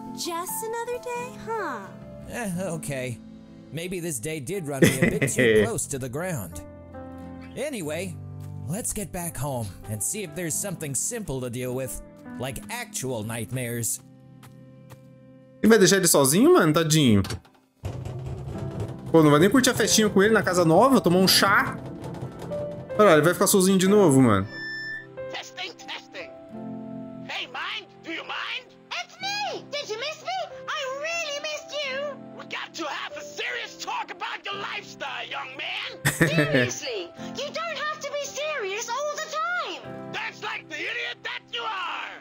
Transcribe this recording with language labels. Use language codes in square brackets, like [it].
[en] Just another day, huh? Okay. Maybe this day did run me a bit too close to the ground. Anyway, let's get back home and see if there's something simple to deal with, like actual nightmares. [pt] Ele vai deixar ele sozinho, mano? Tadinho. Pô, não vai nem curtir a festinha com ele na casa nova, tomar um chá. Olha, ele vai ficar sozinho de novo, mano. [en] Testing, testing. Hey, mind? Do you mind? It's me! Did you miss me? I really missed you! five star, young man! Seriously, you don't have to be serious all the time! That's like the idiot that you are!